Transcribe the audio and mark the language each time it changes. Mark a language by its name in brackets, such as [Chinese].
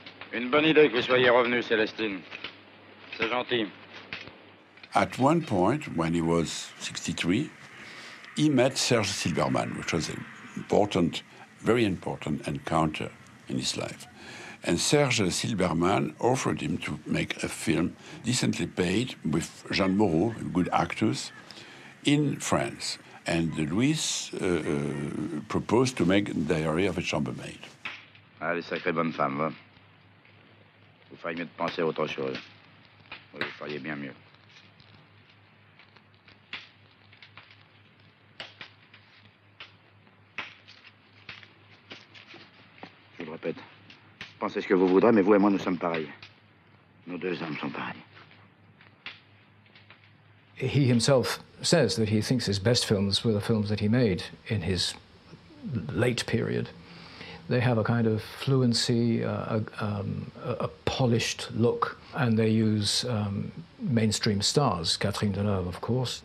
[French] Une bonne idée que vous soyez revenu, Célestine. C'est gentil. [English] At one point, when he was 63, he met Serge Silverman, which was an important, very important encounter in his life. And Serge Silverman offered him to make a film decently paid with Jean Moreau, a good actor, in France. And Louis proposed to make the Diary of a Chambermaid. [French] Ah, les sacrées bonnes femmes, hein? Vous feriez mieux de penser à autre chose. Oui, vous feriez bien mieux. Je le répète. Pensez ce que vous voudrez, mais vous et moi, nous sommes pareils. Nos deux âmes sont pareilles. [English] He himself says that he thinks his best films were the films that he made in his late period. They have a kind of fluency, a polished look, and they use mainstream stars, Catherine Deneuve, of course.